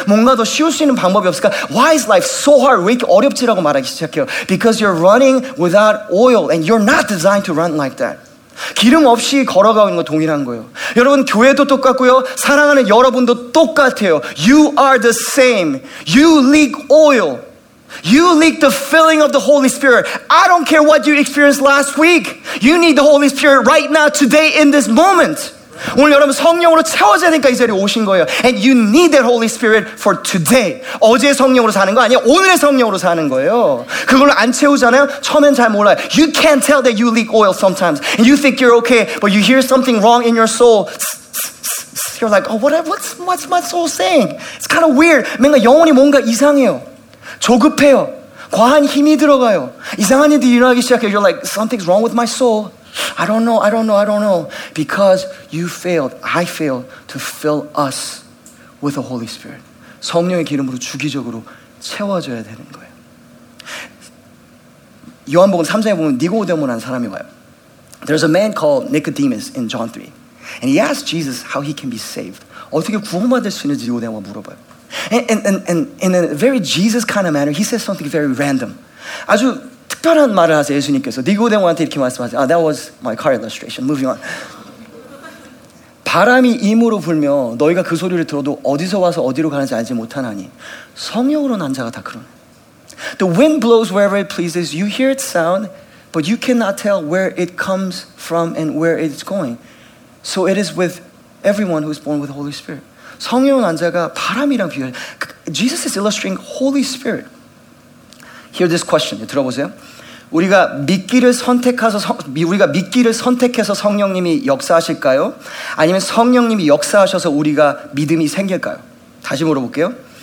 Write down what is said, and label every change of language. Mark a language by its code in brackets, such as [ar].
[ko] 뭔가 더 쉬울 수 있는 방법이 없을까? [en] Why is life so hard? [ko] 왜 이렇게 어렵지라고 말하기 시작해요? [en] Because you're running without oil, and you're not designed to run like that. [ko] 기름 없이 걸어가고 있는 거 동일한 거예요. 여러분 교회도 똑같고요. 사랑하는 여러분도 똑같아요. [en] You are the same. You leak oil. You leak the filling of the Holy Spirit. I don't care what you experienced last week. You need the Holy Spirit right now, today, in this moment. [ko] 오늘 여러분 성령으로 채워져야 되니까 이 자리에 오신 거예요. [en] And you need that Holy Spirit for today. [ko] 어제 성령으로 사는 거 아니에요. 오늘의 성령으로 사는 거예요. 그걸 안 채우잖아요. 처음엔 잘 몰라요. [en] You can't tell that you leak oil sometimes. And you think you're okay, but you hear something wrong in your soul. You're like, oh, what's my soul saying? It's kind of weird. [ko] 뭔가 영혼이 뭔가 이상해요. 조급해요. 과한 힘이 들어가요. 이상한 일이 일어나기 시작해요. [en] You're like, something's wrong with my soul. I don't know. Because you failed, I failed to fill us with the Holy Spirit. [ko] 성령의 기름으로 주기적으로 채워져야 되는 거예요. 요한복음 3장에 보면 니고데모라는 사람이 와요. [en] There's a man called Nicodemus in John 3. And he asked Jesus how he can be saved. [ko] 어떻게 구원받을 수 있는지 니고데모가 물어봐요. [en] And in a very Jesus kind of manner, he says something very random. [ko] 아주 특별한 말을 하세요, 예수님께서. 니고데모한테 이렇게 말씀하세요. [en] Oh, that was my car illustration. Moving on. [ko] 바람이 임으로 불며 너희가 그 소리를 들어도 어디서 와서 어디로 가는지 알지 못하나니 성령으로 난 자가 다 그러네. [en] The wind blows wherever it pleases. You hear its sound, but you cannot tell where it comes from and where it's going. So it is with everyone who is born with the Holy Spirit. [ko] 성령 난자가 바람이랑 비교해. [en] Jesus is illustrating Holy Spirit. Hear this question. [ko] 들어보세요. 우리가 믿기를 선택해서 우리가 믿기를 선택해서 성령님이 역사하실까요? 아니면 성령님이 역사하셔서 우리가 믿음이 생길까요? 다시 물어볼게요.